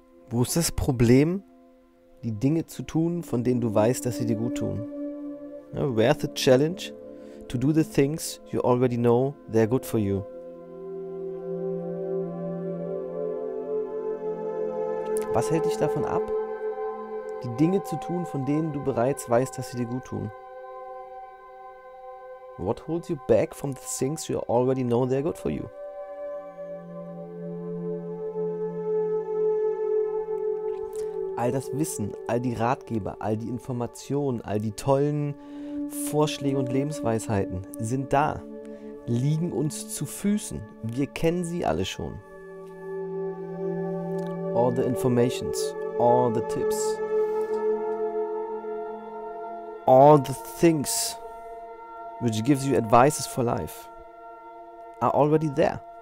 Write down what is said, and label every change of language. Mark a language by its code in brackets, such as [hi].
[de] Wo ist das Problem, die Dinge zu tun, von denen du weißt, dass sie dir gut tun? [en] Where's the challenge to do the things you already know they're good for you? [de] Was hält dich davon ab, die Dinge zu tun, von denen du bereits weißt, dass sie dir gut tun? [en] What holds you back from the things you already know they're good for you? [de] All das Wissen, all die Ratgeber, all die Informationen, all die tollen Vorschläge und Lebensweisheiten sind da, liegen uns zu Füßen. Wir kennen sie alle schon. [en] All the informations, all the tips, all the things which gives you advices for life are already there.